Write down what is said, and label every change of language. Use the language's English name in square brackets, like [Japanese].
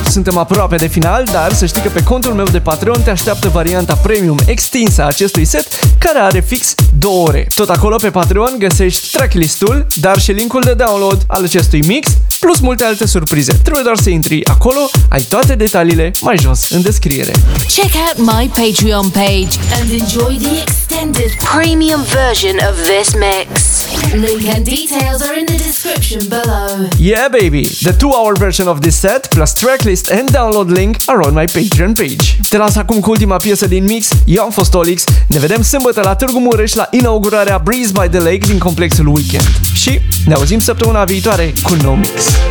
[Romanian] Suntem aproape de final, dar să știi că pe contul meu de Patreon te așteaptă varianta premium extinsă a acestui set, care are fix 2 ore. Tot acolo pe Patreon găsești tracklist-ul, dar și link-ul de download al acestui mix, plus multe alte surprize. Trebuie doar să intri acolo, ai toate detaliile mai jos în descriere. [English] Check out my Patreon page and enjoy the extended premium version of this mix. Link and details are in the description below. Yeah baby, the 2-hour version of this set plus tracklist and download link are on my Patreon page. [Romanian] Te las acum cu ultima piesă din mix. Eu am fost OLiX. Ne vedem sâmbătă la Târgu Mureș la inaugurarea Breeze by the Lake din complexul Weekend. Și ne auzim săptămâna viitoare cu un nou mix.